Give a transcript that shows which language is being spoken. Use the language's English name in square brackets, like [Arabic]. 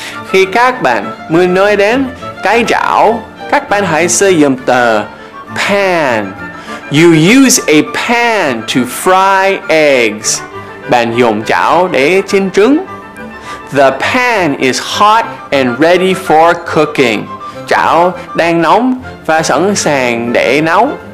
[Vietnamese] Khi các bạn muốn nói đến cái chảo, các bạn hãy sử dụng từ pan. [English] You use a pan to fry eggs. [Vietnamese] Bạn dùng chảo để chiên trứng. [English] The pan is hot and ready for cooking. [Vietnamese] Chảo đang nóng và sẵn sàng để nấu.